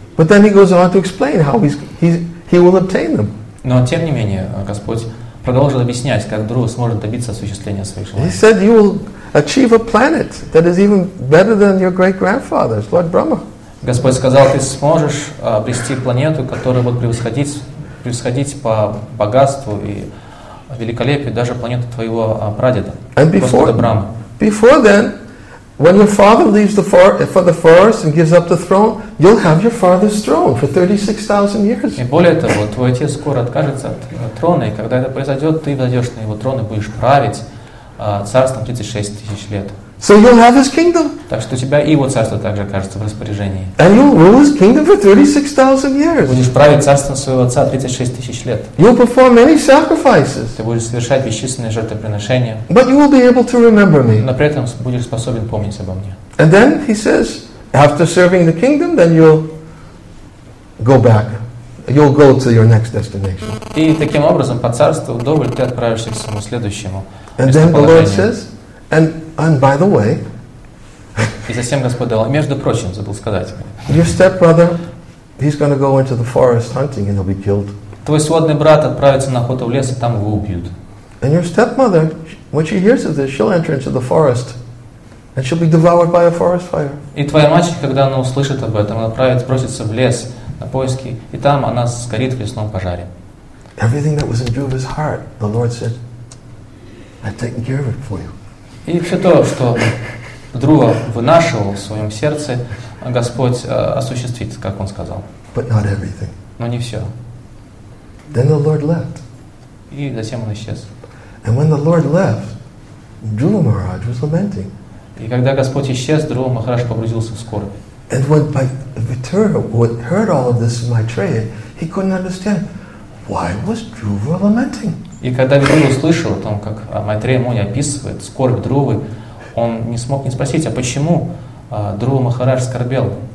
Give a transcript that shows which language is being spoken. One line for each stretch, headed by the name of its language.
English: But then he goes on to explain how he will obtain them.
Russian: Но тем не менее, Господь продолжил объяснять, как Друва сможет добиться осуществления своих желаний.
English: He said, you will achieve a planet that is even better than your great-grandfather's, Lord Brahma.
Russian: Господь сказал, ты сможешь обрести планету, которая будет превосходить по богатству и великолепию даже планету твоего прадеда, Господа Брама.
English: Before then, when your father leaves the forest and gives up the throne, you'll have your father's throne for 36,000 years.
Russian: И более того, твой отец скоро откажется от трона, и когда это произойдет, ты взойдешь на его трон и будешь править царством 36 тысяч лет.
English: So you'll have his kingdom.
Russian: Так что у тебя и его царство также окажется в распоряжении.
English: And you'll rule his kingdom for 36,000 years.
Russian: Будешь править царством своего отца 36 тысяч лет.
English: You'll perform many sacrifices.
Russian: Ты будешь совершать бесчисленные жертвоприношения.
English: But you will be able to remember me.
Russian: Но при этом будешь способен помнить обо мне.
English: And then he says, after serving the kingdom, then you'll go back. You'll go to your next destination.
Russian: И таким образом, по царству вдоволь, ты отправишься к своему следующему.
English: And then the Lord says, and by the way,
Russian: и затем Господь дал, между прочим, забыл сказать.
English: Your stepbrother, he's going to go into the forest hunting and he'll be killed.
Russian: Твой сводный брат отправится на охоту в лес, и там его убьют.
English: And your stepmother, when she hears of this, she'll enter into the forest and she'll be devoured by a forest fire.
Russian: И твоя мать, когда она услышит об этом, отправится, бросится в лес на поиски, и там она сгорит в лесном пожаре.
English: Everything that was in Dhruva's heart, the Lord said, I've taken care of it for you.
Russian: И все то, что Друва вынашивал в своем сердце, Господь осуществит, как он сказал.
English: But not everything.
Russian: Но не все.
English: Then the Lord left.
Russian: И затем он исчез.
English: And when the Lord left, Dhruva Maharaj was lamenting.
Russian: И когда Господь исчез, Друва Махарадж погрузился в скорбь.
English: And when Vitura heard all of this in Maitreya, he couldn't understand why was Dhruva lamenting.
Russian: И когда Видура услышал о том, как Майтрея Муни описывает скорбь Друвы, он не смог не спросить, а почему Друва Махарадж скорбел?